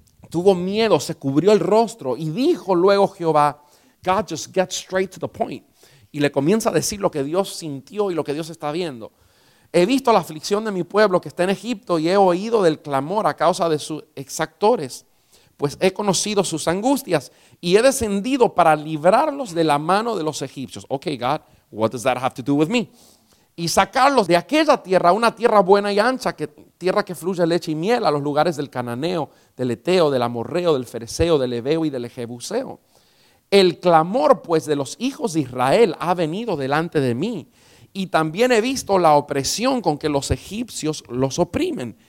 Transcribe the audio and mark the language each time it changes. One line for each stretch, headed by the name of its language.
Spanish: Tuvo miedo, se cubrió el rostro y dijo luego Jehová,
English: God, just get straight to the point.
Spanish: Y le comienza a decir lo que Dios sintió y lo que Dios está viendo. He visto la aflicción de mi pueblo que está en Egipto y he oído del clamor a causa de sus exactores, pues he conocido sus angustias y he descendido para librarlos de la mano de los egipcios.
English: Okay, God, what does that have to do with me?
Spanish: Y sacarlos de aquella tierra, una tierra buena y ancha, que, tierra que fluye leche y miel, a los lugares del Cananeo, del Eteo, del Amorreo, del Fereseo, del Heveo y del Jebuseo. El clamor, pues, de los hijos de Israel ha venido delante de mí. Y también he visto la opresión con que los egipcios los oprimen.